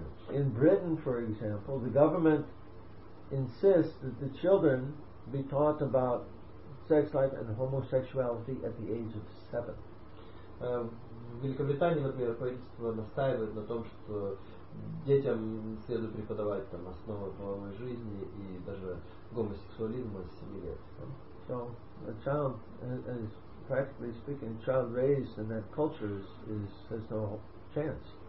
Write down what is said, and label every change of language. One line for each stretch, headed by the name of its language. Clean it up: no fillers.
English: In Britain, for example, the government insists that the children be taught about sex life and homosexuality at the age of 7.
Russian: В Великобритании, например, правительство настаивает на том, что детям следует преподавать там основы половой жизни и даже гомосексуализма с 7 лет.
English: So a child, is practically speaking, a child raised in that culture has no chance.